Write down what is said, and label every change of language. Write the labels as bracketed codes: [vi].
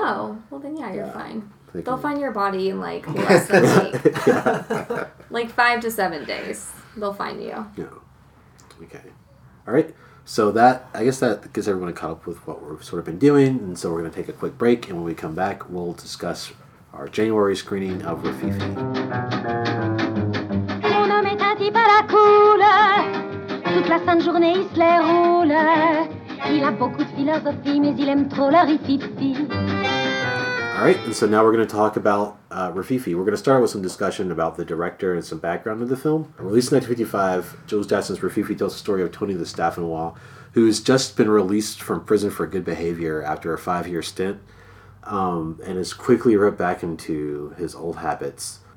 [en] Oh, well then yeah, you're fine. They'll find your body in like less than a week. Like 5 to 7 days. They'll find you. Yeah. Okay. All right. So that gets everyone caught up with what we've sort of been doing. And so we're going to take a quick break. And when we come back, we'll discuss our January screening of Rififi. [fr] Mon homme est un type à la cool. Toute la fin de journée, il se les roule. Il a beaucoup de philosophie, mais il aime trop le Rififi. [en] All right. And so now we're going to talk about Rififi. We're going to start with some discussion about the director and some background of the film. Released in 1955, Jules Dassin's Rififi tells the story of Tony the Staffenwall, who has just been released from prison for good behavior after a 5-year stint. and is quickly ripped back into his old habits.